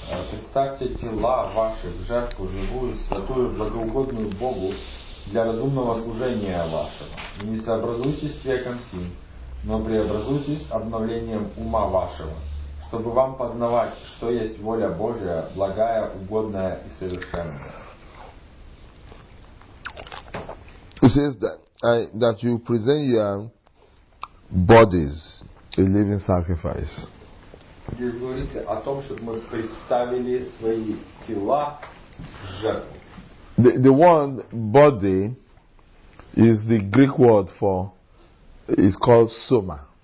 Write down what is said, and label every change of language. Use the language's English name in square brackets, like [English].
[Russian] Представьте тела ваши в жертву живую, святую, благоугодную Богу для разумного служения вашего. И не сообразуйтесь с веком сим, но преобразуйтесь обновлением ума вашего, чтобы вам познавать, что есть воля Божия, благая, угодная и совершенная. [English] It says that you present your bodies a living sacrifice. [Russian] Здесь говорится о том, что мы представили свои тела жертву. [English] The word body is the Greek word for is called soma.